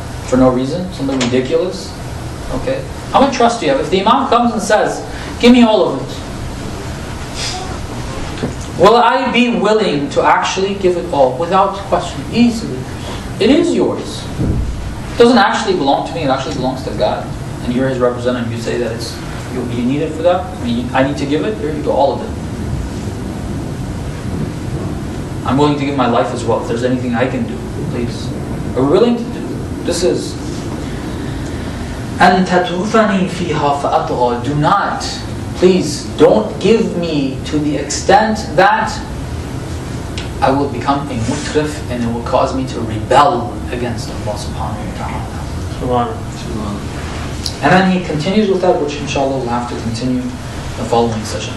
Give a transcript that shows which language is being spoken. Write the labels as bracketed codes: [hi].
[en] For no reason, something ridiculous. Okay? How much trust do you have? If the Imam comes and says, give me all of it, will I be willing to actually give it all without question? Easily. It is yours. It doesn't actually belong to me, it actually belongs to God. And you're his representative. You say that it's you need it for that? I need to give it? Here you go, all of it. I'm willing to give my life as well. If there's anything I can do, please. Are we willing to do? This is [ar] أَن تَتْرُفَنِي فِيهَا فَأَطْغَى. [en] Do not, please, don't give me to the extent that I will become a mutrif and it will cause me to rebel against Allah subhanahu wa ta'ala. And then he continues with that, which inshallah we'll have to continue the following session.